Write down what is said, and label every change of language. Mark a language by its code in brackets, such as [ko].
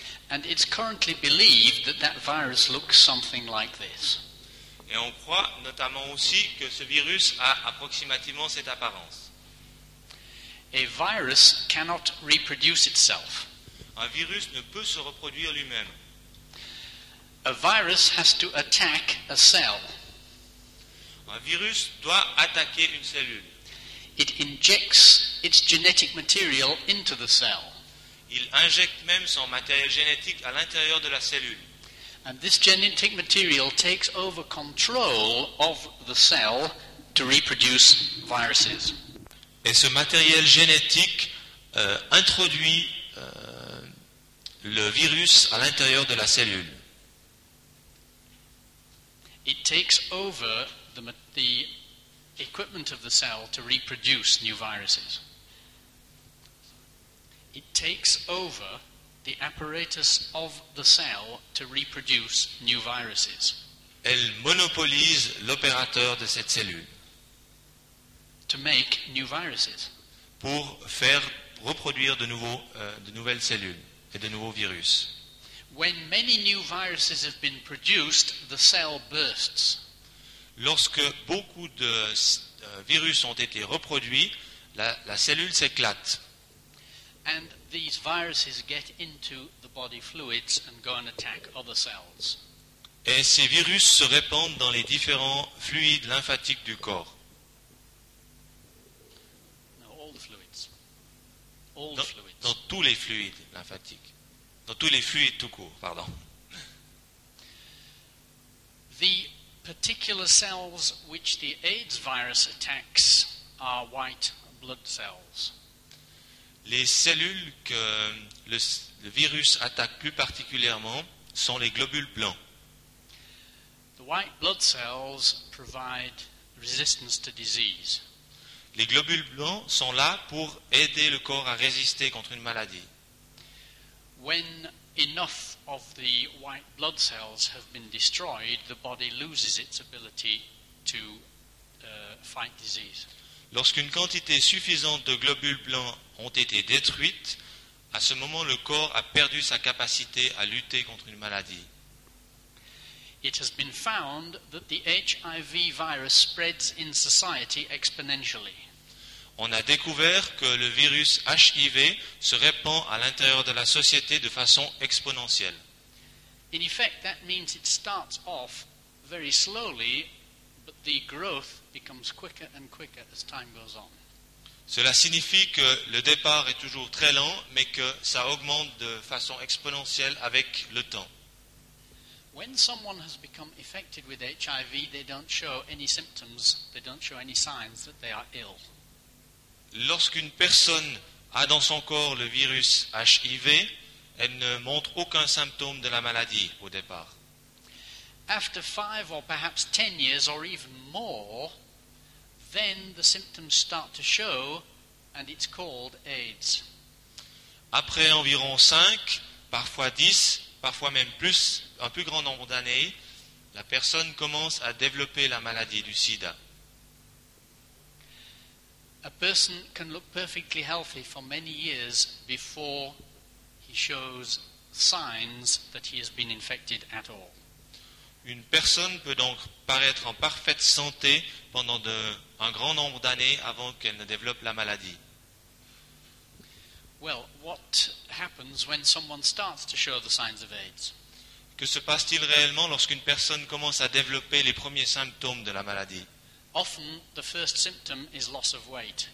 [en] And it's currently believed that that virus looks something like this. [fr] Et on croit notamment aussi que ce virus a approximativement cette apparence. [en] A virus cannot reproduce itself. [fr] Un virus ne peut se reproduire lui-même. [en] A virus has to attack a cell. [fr] Un virus doit attaquer une cellule. [en] It injects its genetic material into the cell. [fr] Il injecte même son matériel génétique à l'intérieur de la cellule. [en] And this genetic material takes over control of the cell to reproduce viruses. [fr] Et ce matériel génétique introduit le virus à l'intérieur de la cellule. [en] It takes over the equipment of the cell to reproduce new viruses. It takes over the apparatus of the cell to reproduce new viruses. [fr] Elle monopolise l'opérateur de cette cellule. [en] To make new viruses. [fr] Pour faire reproduire de nouvelles cellules et de nouveaux virus. [en] When many new viruses have been produced, the cell bursts. [fr] Lorsque beaucoup de virus ont été reproduits, la cellule s'éclate. [en] And these viruses get into the body fluids and go and attack other cells. [fr] Et ces virus se répandent dans les différents fluides lymphatiques du corps. Dans tous les fluides lymphatiques. Dans tous les fluides tout court, pardon. [en] The particular cells which the AIDS virus attacks are white blood cells. [fr] Les cellules que le virus attaque plus particulièrement sont les globules blancs. [en] The white blood cells provide resistance to disease. [fr] Les globules blancs sont là pour aider le corps à résister contre une maladie. [en] When enough of the white blood cells have been destroyed, the body loses its ability to fight disease. [fr] Lorsqu'une quantité suffisante de globules blancs ont été détruites, à ce moment, le corps a perdu sa capacité à lutter contre une maladie. [en] It has been found that the HIV virus spreads in society exponentially. [fr] On a découvert que le virus HIV se répand à l'intérieur de la société de façon exponentielle. [en] In effect, that means it starts off very slowly, but the growth becomes quicker and quicker as time goes on. [fr] Cela signifie que le départ est toujours très lent, mais que ça augmente de façon exponentielle avec le temps. [en] When someone has become affected with HIV, they don't show any symptoms, they don't show any signs that they are ill. [fr] Lorsqu'une personne a dans son corps le virus HIV, elle ne montre aucun symptôme de la maladie au départ. [en] After 5 or perhaps 10 years or even more, then the symptoms start to show and it's called AIDS. [fr] Après environ 5, parfois 10, parfois même plus, un plus grand nombre d'années, la personne commence à développer la maladie du sida. [en] A person can look perfectly healthy for many years before he shows signs that he has been infected at all. [fr] Une personne peut donc paraître en parfaite santé pendant un grand nombre d'années avant qu'elle ne développe la maladie. [en] Well, what happens when someone starts to show the signs of AIDS? [fr] Que se passe-t-il réellement lorsqu'une personne commence à développer les premiers symptômes de la maladie? [en] Often the first symptom is loss of weight.